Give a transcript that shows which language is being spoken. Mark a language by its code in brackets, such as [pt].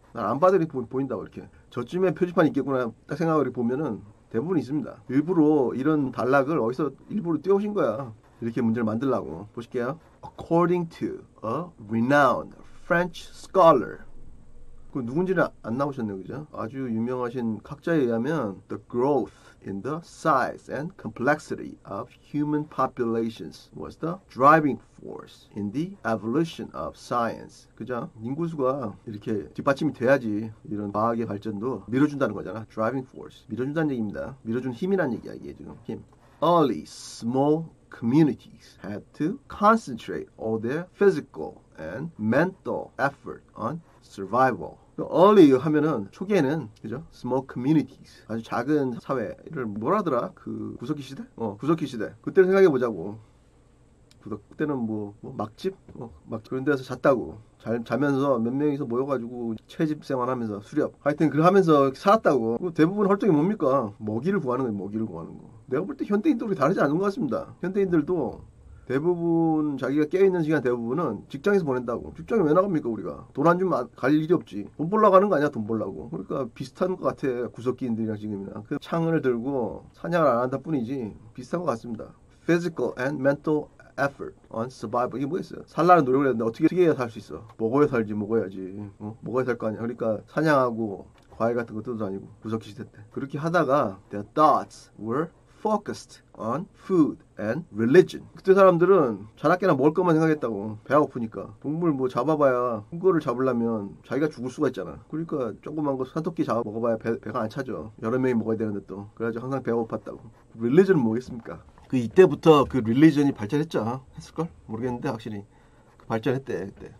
[ko] 난 안 봐도 이렇게 보인다고. 이렇게 저쯤에 표지판이 있겠구나 딱 생각을 보면은 대부분 있습니다. 일부러 이런 단락을 어디서 일부러 띄워오신 거야. 이렇게 문제를 만들라고. 보실게요. [en] According to a renowned French scholar. [ko] 그 누군지는 안 나오셨네요. 그죠? 아주 유명하신 학자에 의하면 [en] The growth in the size and complexity of human populations was the driving force in the evolution of science. [ko] 그죠? 인구수가 이렇게 뒷받침이 돼야지 이런 과학의 발전도 밀어준다는 거잖아. [en] Driving force. [ko] 밀어준다는 얘기입니다. 밀어준 힘이란 얘기야. 이게 지금 힘. [en] Early small communities had to concentrate all their physical and mental effort on survival. [ko] Early 하면은 초기에는 그죠? [en] Small communities. [ko] 아주 작은 사회를 뭐라더라? 그 구석기 시대? 구석기 시대. 그때를 생각해 보자고. 그때는 뭐 막집? 막 그런 데서 잤다고. 자면서 몇 명이서 모여가지고 채집 생활하면서 수렵. 하여튼 그걸 하면서 살았다고. 대부분 활동이 뭡니까? 먹이를 구하는 거예요. 먹이를 구하는 거. 내가 볼 때 현대인들도 다르지 않은 것 같습니다. 현대인들도 대부분 자기가 깨어있는 시간 대부분은 직장에서 보낸다고. 직장에 왜 나갑니까 우리가? 돈 안 주면 갈 일이 없지. 돈 벌러 가는 거 아니야, 돈 벌라고. 그러니까 비슷한 것 같아, 구석기인들이랑 지금이나. 그 창을 들고 사냥을 안 한다 뿐이지 비슷한 것 같습니다. [en] Physical and mental effort on survival. [ko] 이게 뭐겠어요? 살라는 노력을 했는데 어떻게 해야 살 수 있어? 먹어야 살지, 먹어야지. 먹어야 살 거 아니야. 그러니까 사냥하고 과일 같은 거 뜯어 다니고 구석기 시대 때. 그렇게 하다가 [en] their thoughts were focused on food and religion. [ko] 그때 사람들은 자나깨나 먹을 것만 생각했다고. 배가 아프니까. 동물 뭐 잡아봐야 그거를 잡으려면 자기가 죽을 수가 있잖아. 그러니까 조그만 거 산토끼 잡아 먹어봐야 배가 안 차죠. 여러 명이 먹어야 되는데 또. 그래가지고 항상 배가 고팠다고. Religion은 뭐겠습니까? 그 이때부터 그 religion이 발전했죠. 했을걸? 모르겠는데 확실히. 발전했대 그때.